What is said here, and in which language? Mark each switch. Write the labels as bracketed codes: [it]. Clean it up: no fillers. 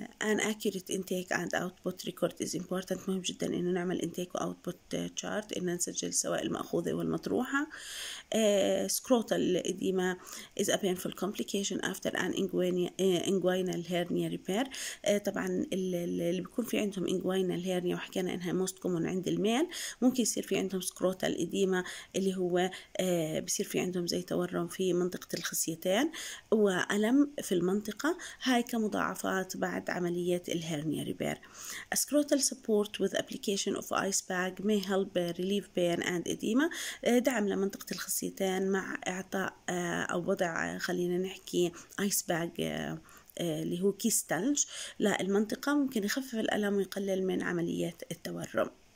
[en] An accurate intake and output record is important. [ar] مهم جدا إنه نعمل [en] intake and output chart، [ar] إنه نسجل سواء المأخوذة والمطروحة. [en] Scrotal edema is a painful complication after an inguinal hernia repair. [ar] طبعا اللي بيكون في عندهم inguinal hernia وحكينا انها [en] most common [ar] عند الميل ممكن يصير في عندهم scrotal edema اللي هو بيصير في عندهم زي تورم في منطقة الخصيتين وألم في المنطقة، هاي كمضاعفات بعد عملية الهرنيا repair. [en] A scrotal support with application of ice bag may help relieve pain and edema. [ar] دعم لمنطقة الخصيتين مع اعطاء او وضع خلينا نحكي ايس باج اللي هو كيس ثلج للمنطقة ممكن يخفف الالم ويقلل من عملية التورم.